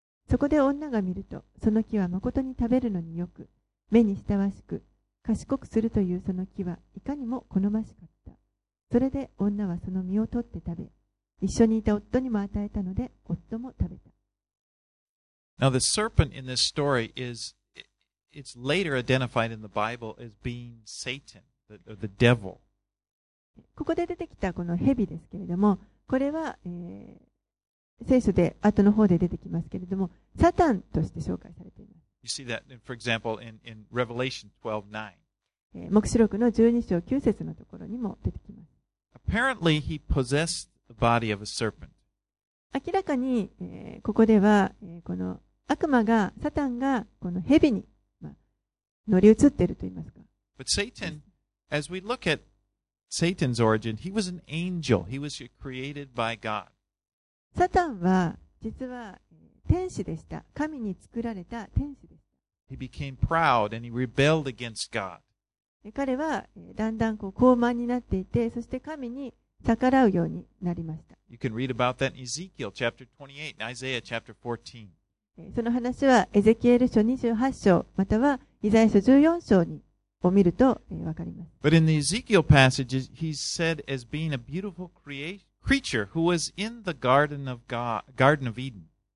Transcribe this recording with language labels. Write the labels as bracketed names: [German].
[Japanese] そこで女が見るとその木は誠に食べるのによく、目にふさわしく賢くするというその木はいかにも好ましかった。それで女はその実を取って食べ、一緒にいた夫にも与えたので夫も食べた。 [English] Now the serpent in this story is it's later identified in the Bible as being Satan, the devil. [Japanese] ここで出てきたこの蛇ですけれども、これは、聖書で後の方で出てきますけれども、サタンとして紹介されています。 [English] You see that for example in Revelation 12:9. [Japanese] 黙示録の12章9節のところにも出てきます。 [English] Apparently he possessed the body of a serpent. [Japanese] 明らかに、ここでは、この悪魔がサタンがこの蛇に、まあ、乗り移っていると言いますか。 [English] But Satan, as we look at Satan's origin, he was an angel. He was created by God. [Japanese] サタンは実は、天使でした。神に作られた天使です。 [English] He became proud and he rebelled against God. [Japanese] 彼はだんだんこう高慢になっていて、そして神に逆らうようになりました。 [English] You can read about that in Ezekiel chapter 28 and Isaiah chapter 14. [Japanese] その話はエゼキエル書28章またはイザヤ書14章にを見ると分かります。 [English] But in the Ezekiel passages, he's said as being a beautiful creature who was in the Garden of Eden.